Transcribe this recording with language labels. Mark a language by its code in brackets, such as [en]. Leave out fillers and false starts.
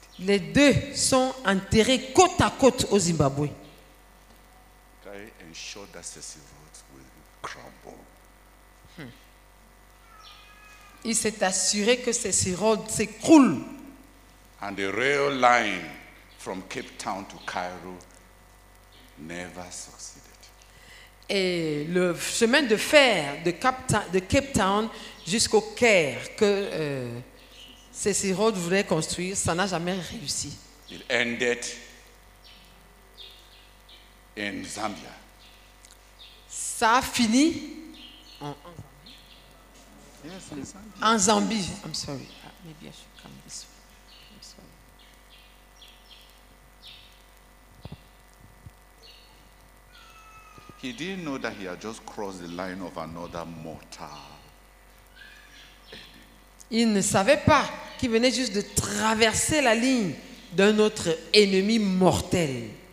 [fr] Les deux sont enterrés côte à côte au Zimbabwe. [en] Can I ensure that Cecil Rhodes will crumble? [fr] Il s'est assuré que Cecil Rhodes s'écroule. [en] And the rail line from Cape Town to Cairo never succeeded. [fr] Et le chemin de fer de Cape Town jusqu'au Caire que Cecil Rhodes voulait construire, ça n'a jamais réussi. [en] It ended in Zambia. [fr] Ça a fini en [en] yes, [fr] en Zambie. [en] I'm sorry. Maybe I should come this way. I'm sorry. He didn't know that he had just crossed the line of another mortal. [fr] Il ne savait pas qu'il venait juste de traverser la ligne d'un autre ennemi mortel.